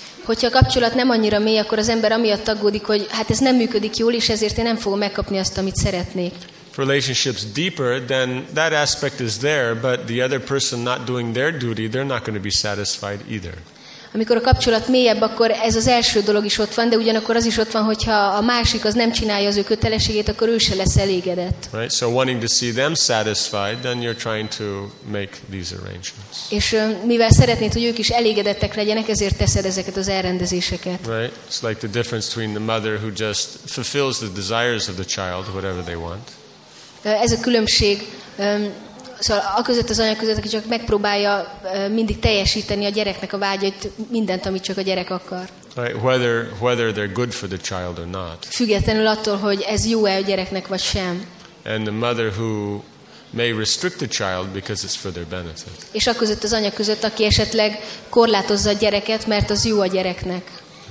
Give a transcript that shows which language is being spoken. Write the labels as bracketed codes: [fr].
[hu] Hogyha a kapcsolat nem annyira mély, akkor az ember amiatt aggódik, hogy hát ez nem működik jól, és ezért én nem fogom megkapni azt, amit szeretnék. [en] If relationship's deeper, then that aspect is there, but the other person not doing their duty, they're not going to be satisfied either. [hu] Amikor a kapcsolat mélyebb, akkor ez az első dolog is ott van, de ugyanakkor az is ott van, hogyha a másik az nem csinálja az ő kötelességét, akkor ő se lesz elégedett. [en] Right? So wanting to see them satisfied, then you're trying to make these arrangements. [hu] És mivel szeretnéd, hogy ők is elégedettek legyenek, ezért teszed ezeket az elrendezéseket. [en] Right? It's like the difference between the mother who just fulfills the desires of the child, whatever they want. [hu] Ez a különbség, szóval a között az anya között, aki csak megpróbálja mindig teljesíteni a gyereknek a vágyait, mindent, amit csak a gyerek akar. [en] Right, whether they're good for the child or not. [hu] Függetlenül attól, hogy ez jó-e a gyereknek, vagy sem. [en] And the mother who may restrict the child because it's for their benefit. [hu] És a között az anya között, aki esetleg korlátozza a gyereket, mert az jó a gyereknek.